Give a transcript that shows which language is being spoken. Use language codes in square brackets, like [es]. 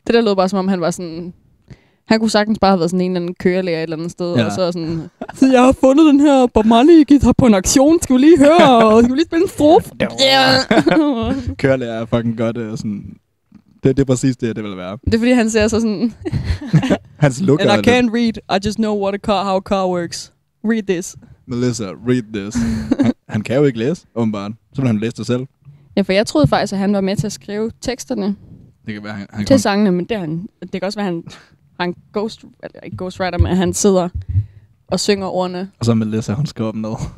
[da] Det der lød bare, som om han var sådan, han kunne sagtens bare have været sådan en eller anden kørelærer et eller andet sted, ja. Og så sådan, så jeg har fundet den her Bob Marley-gitar på en auktion, skal vi lige høre, og skal vi lige spille en strofe? Ja. Kørelærer er fucking godt, sådan, det er præcis det, det vil være. Det er fordi, han ser så sådan, hans look [en] and I can't read, I just know what a car, how a car works. Read this. Melissa, read this. [da] Han kan jo ikke læse, åbenbart, så vil han læse det selv. Ja, for jeg troede faktisk, at han var med til at skrive teksterne. Det kan være, han til sangene, men det kan også være, han han ghostwriter, men han sidder og synger ordene. Og så Melissa, hun skriver dem ned.